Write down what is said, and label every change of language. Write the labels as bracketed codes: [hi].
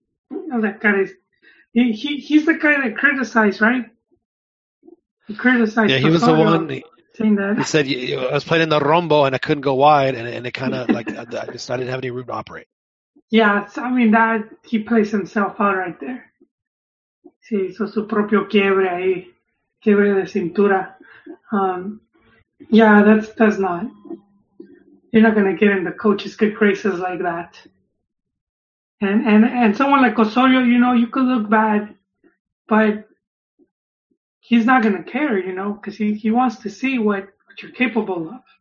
[en] You know, that guy is he's the guy that criticized, right? He criticized. Yeah, he was the one saying that. He said I was playing in the rombo and I couldn't go wide and it kind of like I didn't have any room to operate. Yeah, so, I mean that he plays himself out right there. [es] Sí, hizo su propio quiebre ahí, quiebre de cintura. [en] Yeah, that's not. You're not going to get in the coach's good graces like that. And someone like Osorio, you know, you could look bad, but he's not going to care, you know, because he wants to see what you're capable of.